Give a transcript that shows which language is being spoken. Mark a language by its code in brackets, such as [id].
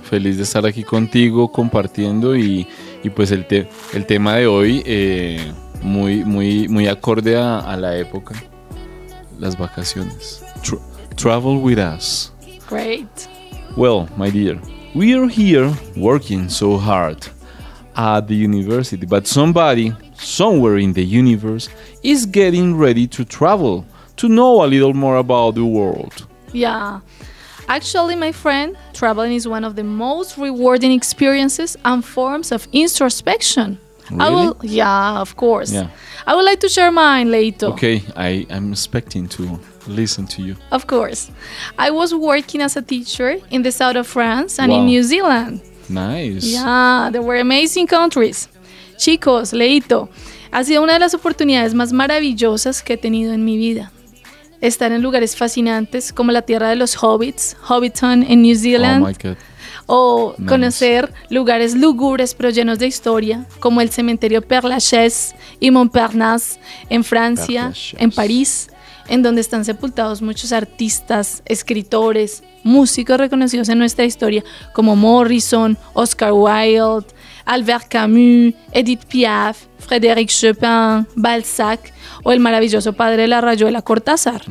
[es] Feliz de estar aquí contigo compartiendo y pues el tema de hoy muy acorde a la época, las vacaciones. [en] Travel with us. Great. Well, my dear, we are here working so hard at the university, but somebody somewhere in the universe is getting ready to travel. To know a little more about the world. Yeah. Actually, my friend, traveling is one of the most rewarding experiences and forms of introspection. Really? Yeah. I would like to share mine, Leito. Okay, I'm expecting to listen to you. Of course. I was working as a teacher in the south of France and wow. In New Zealand. Nice. Yeah, they were amazing countries. [es] Chicos, Leito, ha sido una de las oportunidades más maravillosas que he tenido en mi vida. Estar en lugares fascinantes como la tierra de los hobbits, Hobbiton en New Zealand. [en] Oh my God. O nice. [es] Conocer lugares lúgubres pero llenos de historia, como el cementerio Père Lachaise y Montparnasse en Francia, en París, en donde están sepultados muchos artistas, escritores, músicos reconocidos en nuestra historia, como Morrison, Oscar Wilde, Albert Camus, Edith Piaf, Frédéric Chopin, Balzac o el maravilloso padre de la Rayuela, Cortázar.